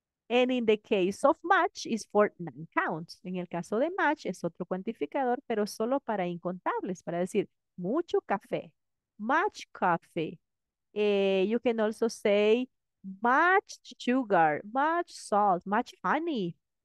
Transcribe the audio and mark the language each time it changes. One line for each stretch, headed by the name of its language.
English: And in the case of much, is for non-count.
Spanish: En el caso de much, es otro cuantificador, pero solo para incontables, para decir mucho café,
English: much coffee. You can also say much sugar, much salt, much honey.